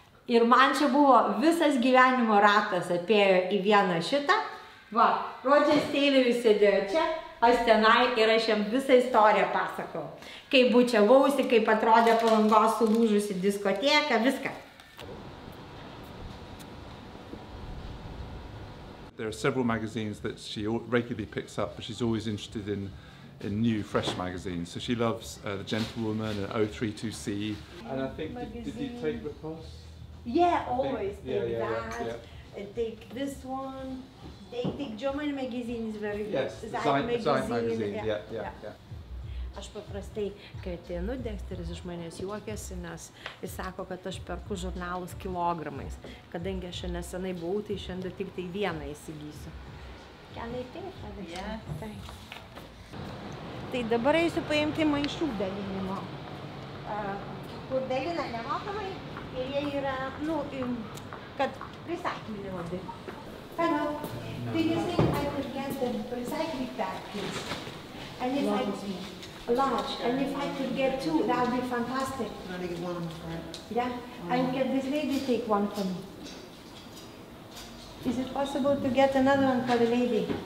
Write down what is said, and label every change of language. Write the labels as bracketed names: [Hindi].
[Lithuanian] Ir man čia buvo visas gyvenimo ratas apėjo į vieną šitą. Va, Rodžeris Teileris sėdėjo čia, aš tenai ir aš jam visą istoriją pasakau. Kaip bučiavausi, kaip atrodė Palangos sulūžusi diskoteka, viską. [English] There are several magazines that she regularly picks up, but she's always interested in new, fresh magazines. So she loves The Gentlewoman and O32C. And I think, did you take Riposte? Yeah, always take that. Take this one. Take German magazine is very good. Yes, Zeit magazine. Yeah. [Lithuanian] Aš paprastai, kai atėnu, Dexteris iš manęs juokiasi, nes jis sako, kad aš perku žurnalus kilogramais. Kadangi aš nesenai buvau, tai šiandien tik tai vieną įsigysiu. [English] Can I take it? Yes. [Lithuanian] Tai dabar eisiu paimti maišų dalinimo. Kur dalina nemokamai, ir jie yra, nu, kad prisakymini labai. [English] Hello. Did you think I could get the recycling bag, please? And if large. And if I could get two, that would be fantastic. Can I take one on the front? Yeah. Mm-hmm. And get this lady take one for me. Is it possible to get another one for the lady?